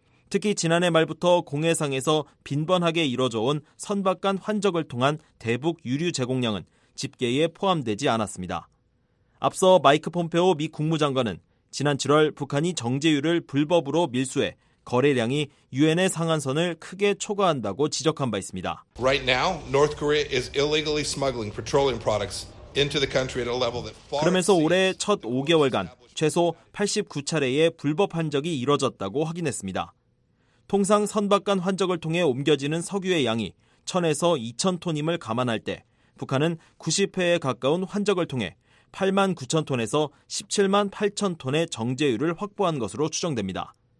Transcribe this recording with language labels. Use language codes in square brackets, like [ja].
[ko] 특히 지난해 말부터 공해상에서 빈번하게 이뤄져온 선박 간 환적을 통한 대북 유류 제공량은 집계에 포함되지 않았습니다. 앞서 마이크 폼페오 미 국무장관은 지난 7월 북한이 정제유를 불법으로 밀수해 거래량이 유엔의 상한선을 크게 초과한다고 지적한 바 있습니다. [en] Right now, North Korea is illegally smuggling petroleum products into the country at a level that far exceeds. [ko] 그러면서 올해 첫 5개월간 최소 89차례의 불법 환적이 이뤄졌다고 확인했습니다. 통상 선박 간 환적을 통해 옮겨지는 석유의 양이 1000에서 2000톤임을 감안할 때 북한은 90회에 가까운 환적을 통해 8만 9천 톤에서 17만 8천 톤의 정제율을 확보한 것으로 추정됩니다.